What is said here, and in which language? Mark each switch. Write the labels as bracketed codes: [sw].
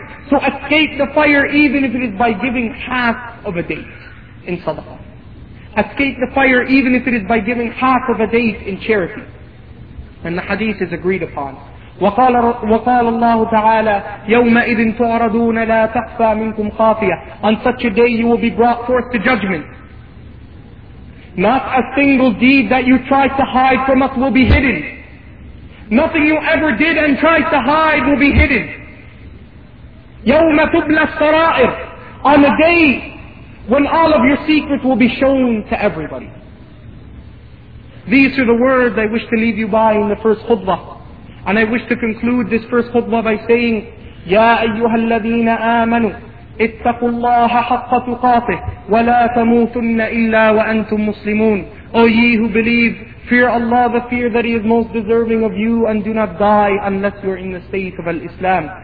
[en] to escape the fire, even if it is by giving half of a date in sadaqah. Escape the fire even if it is by giving half of a date in charity. And the hadith is agreed upon. [ar] وقال الله تعالى يومئذ تعرضون لا تخفى منكم خافية. [en] On such a day you will be brought forth to judgment. Not a single deed that you tried to hide from us will be hidden. Nothing you ever did and tried to hide will be hidden. [ar] يوم تبلى السرائر. [en] On a day when all of your secrets will be shown to everybody. These are the words I wish to leave you by in the first khutbah. And I wish to conclude this first khutbah by saying, [ar] يَا أَيُّهَا الَّذِينَ آمَنُوا اتَّقُوا اللَّهَ حَقَّ تُقَاتِهِ وَلَا تَمُوتُنَّ إِلَّا وَأَنْتُمْ مُسْلِمُونَ. [en] O ye who believe, fear Allah, the fear that He is most deserving of you, and do not die unless you're in the state of Al-Islam.